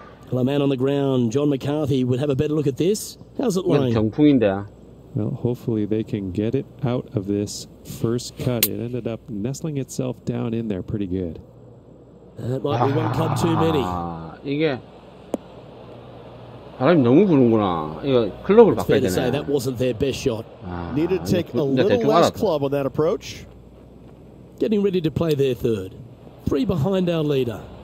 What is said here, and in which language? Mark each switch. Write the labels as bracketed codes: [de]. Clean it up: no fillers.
[en] Well, a man on the ground, John McCarthy would have a better look at this. How's it lying? [ko] 정풍인데. [en] Well, hopefully they can get it out of this first cut. It ended up nestling itself down in there pretty good. That might be one club too many. [ko] 이게 바람이 너무 부는구나. 이거 클럽을 바꿔야 되네. [en] Say that wasn't their best shot. 아, needed to take a little less club on that approach. Getting ready to play their third. Three behind our leader.